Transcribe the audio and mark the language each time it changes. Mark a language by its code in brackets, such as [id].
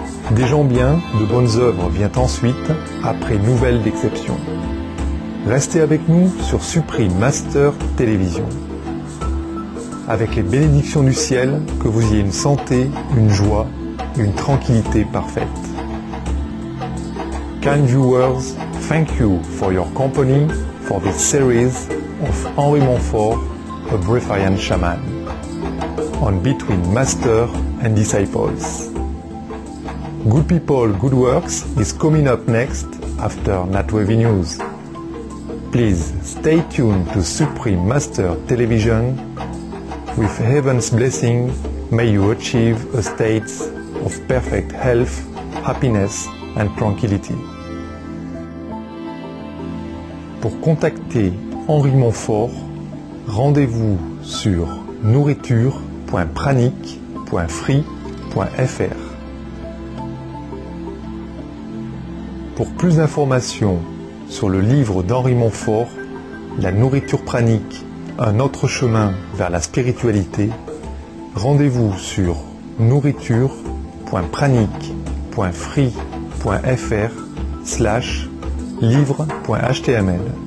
[fr] Des gens bien, de bonnes œuvres vient ensuite, après nouvelles d'exception. Restez avec nous sur Supreme Master Télévision. Avec les bénédictions du ciel, que vous ayez une santé, une joie, une tranquillité parfaite. [en] Kind viewers, thank you for your company for this series of Henri Montfort, a Briefian Shaman, on Between Master and Disciples. Good People, Good Works is coming up next after NatWave News. Please stay tuned to Supreme Master Television. With Heaven's blessing, may you achieve a state of perfect health, happiness and tranquility. [fr] Pour contacter Henri Montfort, rendez-vous sur nourriture.pranique.free.fr. Pour plus d'informations sur le livre d'Henri Montfort, La nourriture pranique, un autre chemin vers la spiritualité, rendez-vous sur nourriture.pranique.free.fr/livre.html.